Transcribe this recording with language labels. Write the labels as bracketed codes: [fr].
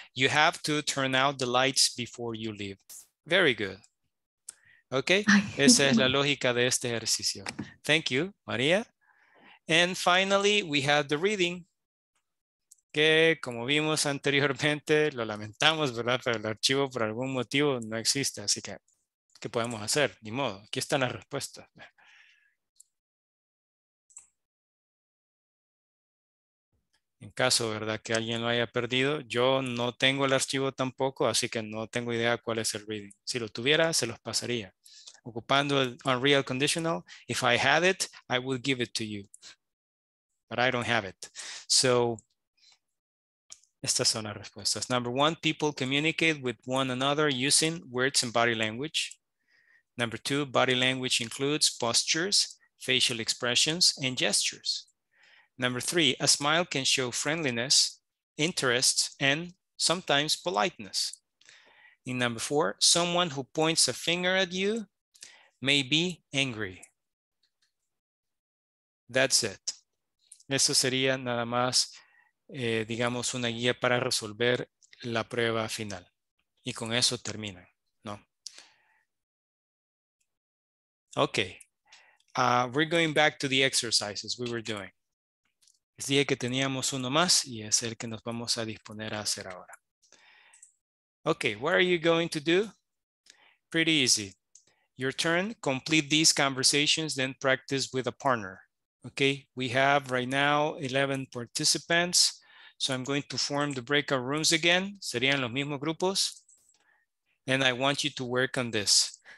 [en] You have to turn out the lights before you leave. Very good. [es] Okay, esa es la lógica de este ejercicio. [en] Thank you, María. And finally, we have the reading. [es] que, como vimos anteriormente, lo lamentamos, ¿verdad? Pero el archivo por algún motivo no existe. Así que, ¿qué podemos hacer? Ni modo. Aquí están las respuestas. En caso, ¿verdad?, que alguien lo haya perdido, yo no tengo el archivo tampoco, así que no tengo idea cuál es el reading. Si lo tuviera, se los pasaría. Ocupando el [en] unreal conditional, if I had it, I would give it to you. But I don't have it. [es] So, estas son las respuestas. [en] Number one, people communicate with one another using words and body language. Number two, body language includes postures, facial expressions, and gestures. Number three, a smile can show friendliness, interest, and sometimes politeness. And number four, someone who points a finger at you may be angry. That's it. [es] Eso sería nada más, digamos, una guía para resolver la prueba final. Y con eso termina, ¿no? [en] Okay. We're going back to the exercises we were doing. [es] Les dije que teníamos uno más y es el que nos vamos a disponer a hacer ahora. [en] Okay, what are you going to do? Pretty easy. Your turn, complete these conversations, then practice with a partner. Okay, we have right now 11 participants. So I'm going to form the breakout rooms again. [es] Serían los mismos grupos. [en] And I want you to work on this.